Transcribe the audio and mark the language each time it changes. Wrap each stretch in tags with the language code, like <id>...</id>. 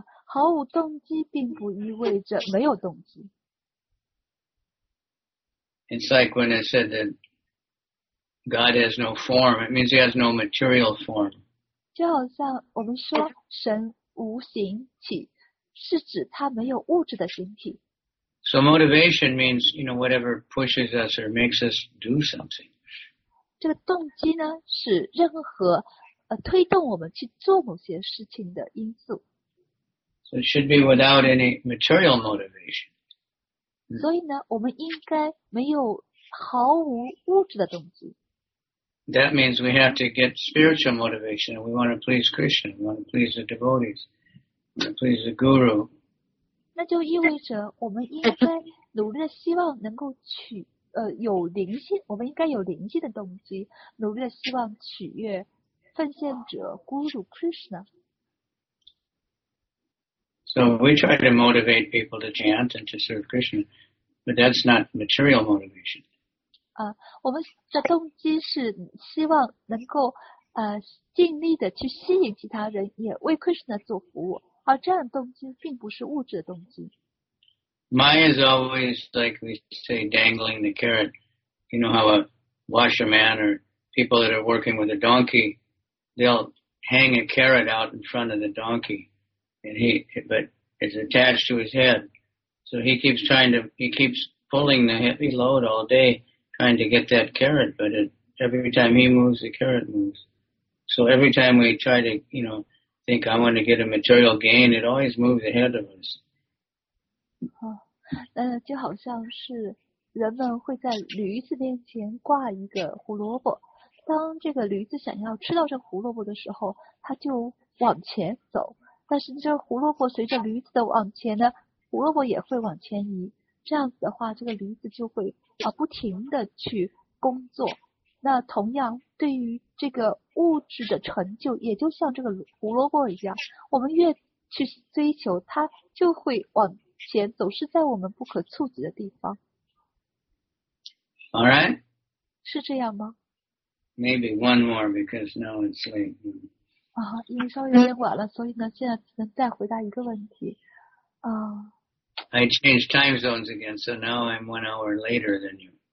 <zh>毫无动机并不意味着没有动机。</zh> <en>It's like when I said that. God has no form. It means he has no material form.</en> <zh>就好像我们说神无形体，是指他没有物质的形体。</zh> <en>So motivation means, you know, whatever pushes us or makes us do something.</en> <zh>这个动机呢，是任何推动我们去做某些事情的因素。</zh> <en>So it should be without any material motivation.</en> <zh>所以呢，我们应该没有毫无物质的动机。</zh> <en>That means we have to get spiritual motivation. We want to please Krishna. We want to please the devotees. We want to please the guru.</en> <zh>那就意味着我们应该努力的希望能够取有灵性。我们应该有灵性的动机，努力的希望取悦奉献者 Guru Krishna.</zh> <en>So we try to motivate people to chant and to serve Krishna, but that's not material motivation.</en> <zh>我们的动机是希望能够尽力的去吸引其他人也为 Krishna 做服务，而这样的动机并不是物质的动机。</zh> <en>Maya is always like we say dangling the carrot. You know how a washerman or people that are working with a donkey, they'll hang a carrot out in front of the donkey, but it's attached to his head. So he keeps pulling the heavy load all day. Trying to get that carrot, but every time he moves, the carrot moves. So every time we try to, you know, think I want to get a material gain, it always moves ahead of us.</en> <zh>就好像是人们会在驴子面前挂一个胡萝卜，当这个驴子想要吃到这胡萝卜的时候，它就往前走，但是这胡萝卜随着驴子的往前呢，胡萝卜也会往前移，这样子的话这个驴子就会不停地去工作。那同样对于这个物质的成就，也就像这个胡萝卜一样，我们越去追求它就会往前，总是在我们不可触及的地方。</zh> <en>All right.</en> <zh>是这样吗？</zh> <en>Maybe one more because now it's late.</en> <zh>因为稍微有点晚了，所以呢现在只能再回答一个问题。</zh> <en>I changed time zones again, so now I'm 1 hour later than you.</en>